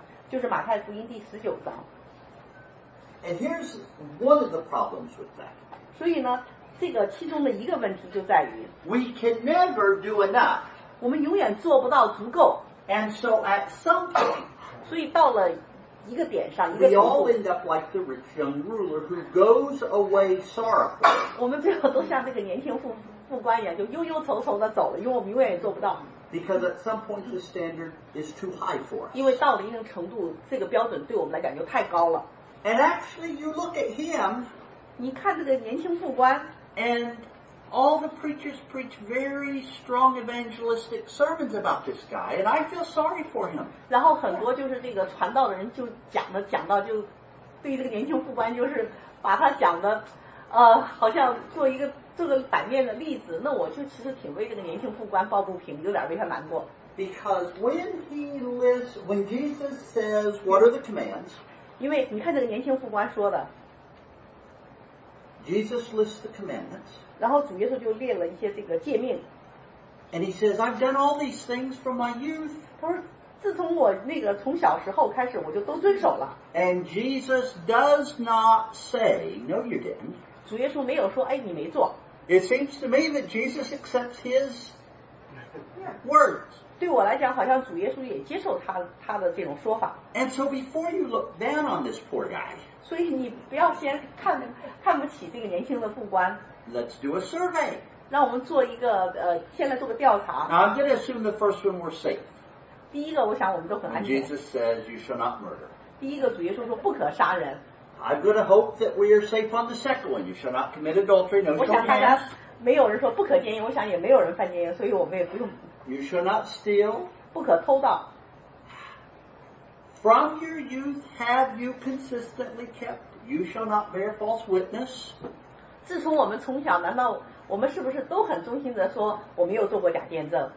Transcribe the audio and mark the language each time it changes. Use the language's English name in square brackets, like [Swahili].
[Chinese] 就是马太福音第十九章。 [English] And here's one of the problems with that. [Chinese] 所以呢，这个其中的一个问题就在于 [English] ，We can never do enough. [Chinese] 我们永远做不到足够。 [English] And so at some point. [Chinese] 所以到了一个点上， [English] We all end up like the rich young ruler who goes away sorrowful. [Chinese] 我们最后都像这个年轻副官一样，就忧忧愁愁的走了，因为我们永远也做不到。 [English] Because at some point the standard is too high for us. [Chinese] 因为到了一定程度，这个标准对我们来讲就太高了。 [English] And actually, you look at him. [Chinese] 你看这个年轻副官 [English] and all the preachers preach very strong evangelistic sermons about this guy, and I feel sorry for him. [Chinese] 然后很多就是这个传道的人就讲的讲到就对这个年轻副官就是把他讲的好像做一个这个反面的例子，那我就其实挺为这个年轻副官抱不平，有点为他难过。 [English] Because when Jesus says, what are the commands? [Chinese] 因为你看这个年轻副官说的。 [English] Jesus lists the commandments. [Chinese] 然后主耶稣就列了一些这个诫命。 [English] And he says, I've done all these things from my youth. [Chinese] 他说自从我那个从小时候开始我就都遵守了。 [English] And Jesus does not say, no you didn't. [Chinese] 主耶稣没有说哎你没做。 [English] It seems to me that Jesus accepts his words. [Chinese] 对我来讲好像主耶稣也接受他的这种说法。 [English] And so before you look down on this poor guy, [Chinese] 所以你不要先看不起这个年轻的副官。 [English] Let's do a survey. [Chinese] 让我们做一个先来做个调查。 [English] Now I'm going to assume the first one we're safe. [Chinese] 第一个我想我们都很安全。 [English] And Jesus says you shall not murder. [Chinese] 第一个主耶稣说不可杀人。 [English] I'm going to hope that we are safe on the second one. You shall not commit adultery. No, [Chinese] 我想大家没有人说不可奸淫，我想也没有人犯奸淫，所以我们也不用。 [English] You shall not steal. [Chinese] 不可偷盗。 [English] From your youth have you consistently kept? You shall not bear false witness. [Chinese] 自从我们从小，难道我们是不是都很忠心的说我没有做过假见证？